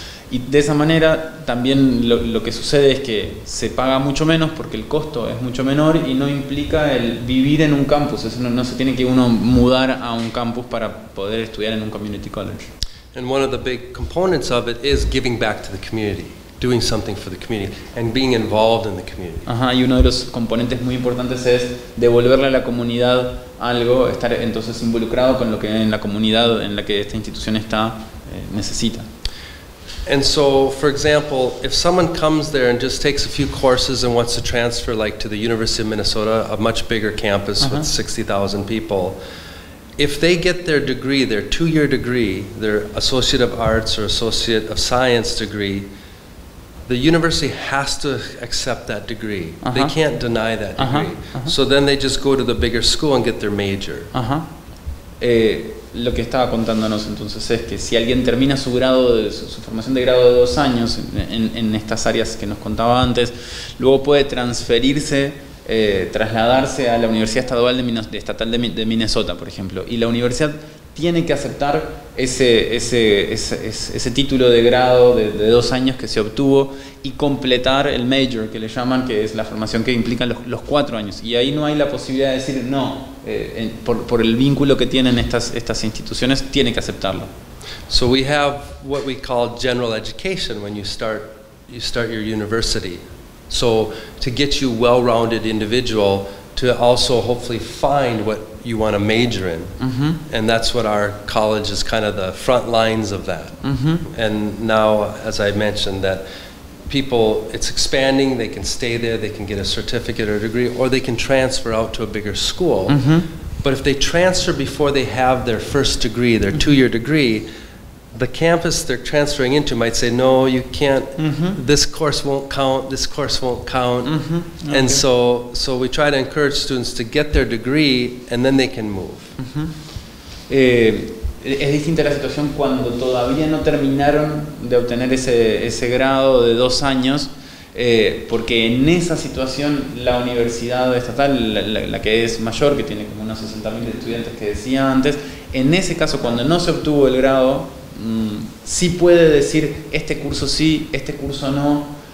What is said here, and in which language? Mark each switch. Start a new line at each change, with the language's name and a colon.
Spanish: Y de esa manera también lo que sucede es que se paga mucho menos porque el costo es mucho menor y no implica el vivir en un campus. Eso no se tiene que uno mudar a un campus para poder estudiar en un community college.
English: And one of the big components of it is giving back to the community, doing something for the community, and being involved in the community.
Spanish: Ajá, y uno de los componentes muy importantes es devolverle a la comunidad algo, estar entonces involucrado con lo que en la comunidad en la que esta institución está necesita.
English: And so, for example, if someone comes there and just takes a few courses and wants to transfer, like to the University of Minnesota, a much bigger campus with 60,000 people. If they get their degree, their two-year degree, their Associate of Arts or Associate of Science degree, the university has to accept that degree. Uh-huh. They can't deny that degree. Uh-huh. Uh-huh. So then they just go to the bigger school and get their major. Uh-huh.
Spanish: Lo que estaba contándonos entonces es que si alguien termina su grado de su formación de grado de 2 años en estas áreas que nos contaba antes, luego puede transferirse. Trasladarse a la Universidad Estatal de Minnesota, por ejemplo, y la universidad tiene que aceptar ese título de grado de 2 años que se obtuvo y completar el major, que le llaman, que es la formación que implica los 4 años. Y ahí no hay la posibilidad de decir no, por el vínculo que tienen estas instituciones, tiene que aceptarlo.
English: So we have what we call general education when you start your university. So to get you well-rounded individual to also hopefully find what you want to major in. Mm-hmm. And that's what our college is, kind of the front lines of that. Mm-hmm. And now, as I mentioned, that people, it's expanding, they can stay there, they can get a certificate or a degree, or they can transfer out to a bigger school. Mm-hmm. But if they transfer before they have their first degree, their mm-hmm. two-year degree, the campus they're transferring into might say, no, you can't, mm-hmm. this course won't count. Mm-hmm. Okay. And so we try to encourage students to get their degree and then they can move. Mm-hmm.
Spanish: Es distinta la situación cuando todavía no terminaron de obtener ese grado de 2 años, porque en esa situación la universidad estatal, la que es mayor, que tiene como unos 60,000 estudiantes que decía antes, en ese caso cuando no se obtuvo el grado, sí puede decir este curso sí, este curso no.